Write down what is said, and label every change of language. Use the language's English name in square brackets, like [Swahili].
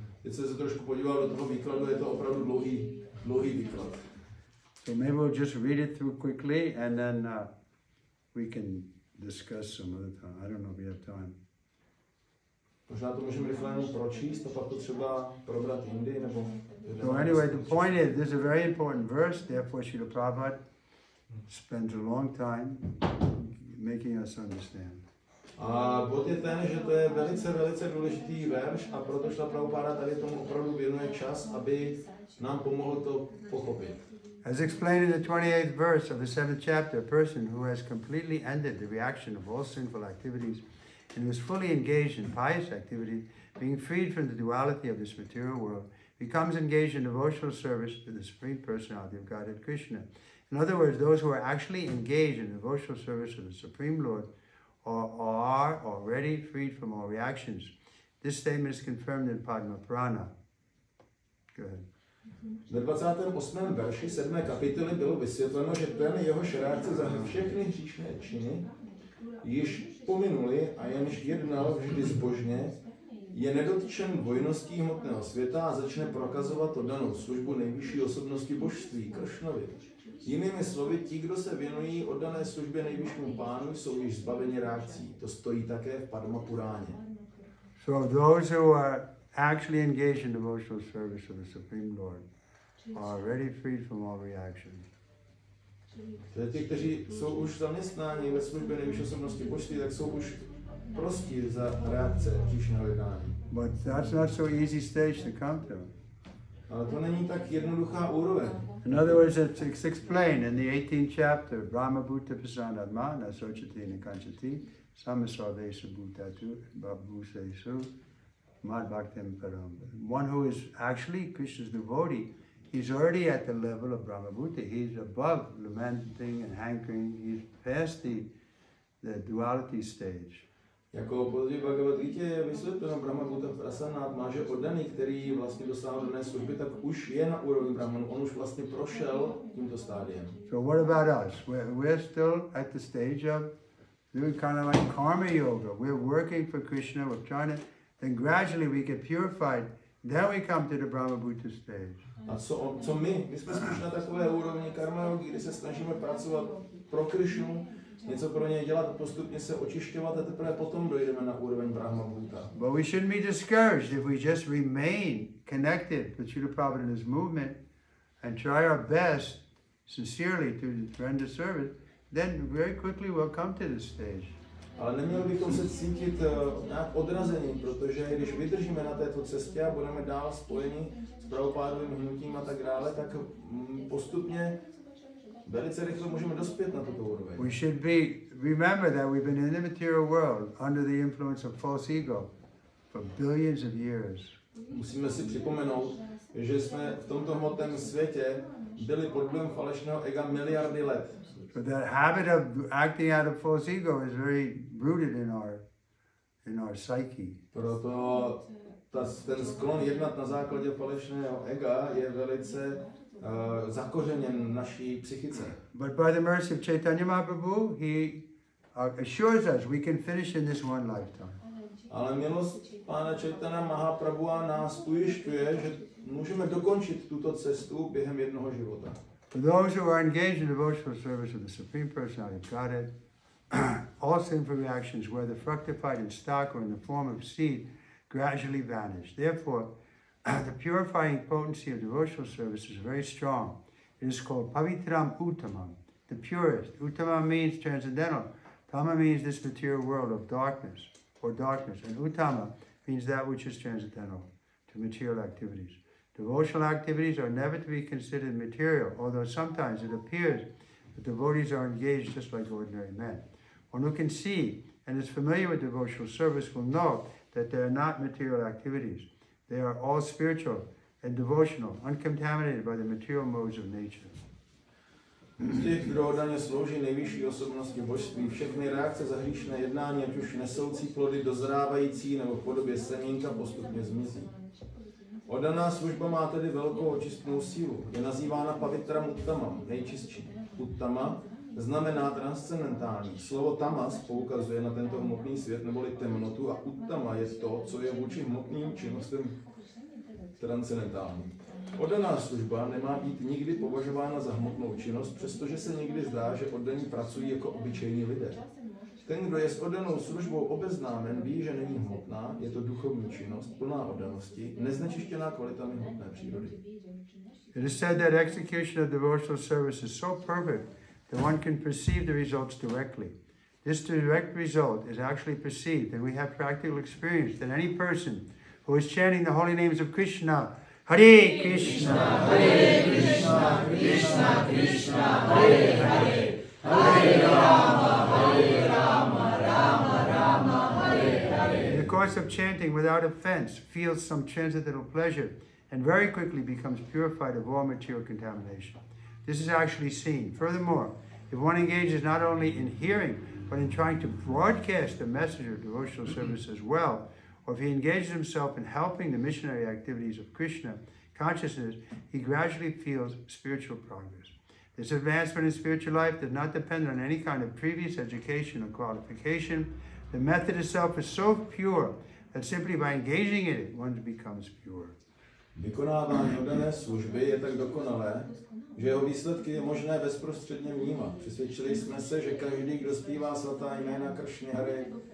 [Czech] Teď jsem se trošku podíval do toho výkladu, je to opravdu dlouhý výklad. [English] So maybe we'll just read it through quickly and then we can discuss some other time. I don't know if we have time. [Czech] Možná to můžeme rychle jenom pročíst a pak to třeba probrat jindy nebo... [English] So anyway, the point is, this is a very important verse, therefore Srila Prabhupada spends a long time making us understand. [Czech] A bod je ten, že to je velice, velice důležitý verš a proto Srila Prabhupada tady tomu opravdu věnuje čas, aby nám pomohlo to pochopit. [English] As explained in the 28th verse of the 7th chapter, a person who has completely ended the reaction of all sinful activities and who is fully engaged in pious activity, being freed from the duality of this material world, becomes engaged in devotional service to the Supreme Personality of Godhead Krishna. In other words, those who are actually engaged in devotional service of the Supreme Lord are already freed from all reactions. This statement is confirmed in Padma Purana. Go ahead. [Czech] Ve 28. verši 7. kapitoly bylo vysvětleno, že ten jehož reakce za všechny hříšné činy již pominuli a jenž jednal vždy zbožně, je nedotčen dvojností hmotného světa a začne prokazovat oddanou službu nejvyšší osobnosti božství, Kršnovi. Jinými slovy, ti, kdo se věnují oddané službě nejvyššímu pánu, jsou již zbaveni reakcí. To stojí také v Padma Puráně. [English] So those who are actually engaged in devotional service of the Supreme Lord are already freed from all reactions. [Czech] Ty, kteří jsou už zaměstnáni ve službě nejvyšší osobnosti božství, tak jsou už prostí za reakce hříšného jednání. [English] But that's not so easy stage to come to. [Czech] Ale to není tak jednoduchá úroveň. [English] In other words, it's explained in the 18th chapter, [Sanskrit] Brahma Bhuta Prasanadma, Nasochati Nikanchati, Samasarvesa Bhutatu, Babhusesu, Madhvaktam Param. [English] One who is actually Krishna's devotee, he's already at the level of Brahma Bhuta. He's above lamenting and hankering. He's past the duality stage. [Czech] Jako později Bhagavad Gita je vysvětleno [Sanskrit] Brahma Bhuta Prasanadma, [Czech] že oddaný, který vlastně dosáhl dané služby, tak už je na úrovni Brahmanu, on už vlastně prošel tímto stádiem. [English] So what about us? We're still at the stage of doing kind of like karma yoga. We're working for Krishna, we're trying to, then gradually we get purified, then we come to the Brahma Bhuta stage. [Czech] A co, on, co my? My jsme spíš na takové úrovni karma yogi, kdy se snažíme pracovat pro Krišnu, něco pro něj dělat, postupně se očišťovat a teprve potom dojdeme na úroveň Brahma Bhuta. [English] But we shouldn't be discouraged if we just remain connected to Srila Prabhupada's movement and try our best sincerely to render service, then very quickly we'll come to this stage. [Czech] Ale neměli bychom se cítit nějak odrazeným, protože když vydržíme na této cestě a budeme dál spojeni s pravopádovým hnutím a tak dále, tak postupně velice rychle můžeme dospět na tuto úroveň. [English] We should be remember that we've been in the material world under the influence of false ego for billions of years. [Czech] Musíme si připomenout, že jsme v tomto hmotném světě byli pod vlivem falešného ega miliardy let. [English] But that habit of acting out of false ego is very rooted in our psyche. [Czech] Proto ten sklon jednat na základě falešného ega je velice zakořeněn v naší psychice. [English] But by the mercy of Chaitanya Mahaprabhu, he assures us we can finish in this one lifetime. [Czech] Ale milost Pána Chaitanya Mahaprabhu nás ujišťuje, že můžeme dokončit tuto cestu během jednoho života. [English] For those who are engaged in devotional service of the Supreme Personality of Godhead, all sinful reactions, whether fructified in stock or in the form of seed, gradually vanish. Therefore, the purifying potency of devotional service is very strong. It is called pavitram uttamam, the purest. Uttamam means transcendental. Tama means this material world of darkness, or darkness. And uttama means that which is transcendental to material activities. Devotional activities are never to be considered material, although sometimes it appears that devotees are engaged just like ordinary men. One who can see and is familiar with devotional service will know that they are not material activities. They are all spiritual and devotional, uncontaminated by the material modes of nature. [Czech] Těch, kdo oddaně slouží nejvyšší osobnosti božství, všechny reakce za hříšné jednání, ať už nesoucí plody dozrávající nebo v podobě semínka, postupně zmizí. Oddaná služba má tedy velkou očistnou sílu. Je nazývána pavitram uttamam, nejčistší. Uttama znamená transcendentální. Slovo tamas poukazuje na tento hmotný svět neboli temnotu a uttama je to, co je vůči hmotným činnostem transcendentální. Oddaná služba nemá být nikdy považována za hmotnou činnost, přestože se někdy zdá, že oddaní pracují jako obyčejní lidé. Ten, kdo je s oddanou službou obeznámen, ví, že není hmotná, je to duchovní činnost, plná oddanosti, neznečištěná kvalitami hmotné přírody. [English] It is said that execution of devotional service is so perfect that one can perceive the results directly. This direct result is actually perceived, and we have practical experience that any person who is chanting the holy names of Krishna, Hare Krishna, [Sanskrit] Hare Krishna, Krishna Krishna, Hare Hare, Hare Rama, Hare Rama, Rama Rama, Hare Hare. [English] In the course of chanting without offense, feels some transcendental pleasure and very quickly becomes purified of all material contamination. This is actually seen. Furthermore, if one engages not only in hearing, but in trying to broadcast the message of devotional service as well, or if he engages himself in helping the missionary activities of Krishna consciousness, he gradually feels spiritual progress. This advancement in spiritual life does not depend on any kind of previous education or qualification. The method itself is so pure that simply by engaging in it, one becomes pure. [Czech] Vykonávání oddané služby je tak dokonalé, že jeho výsledky je možné bezprostředně vnímat. Přesvědčili jsme se, že každý, kdo zpívá svatá jména Kršny Hare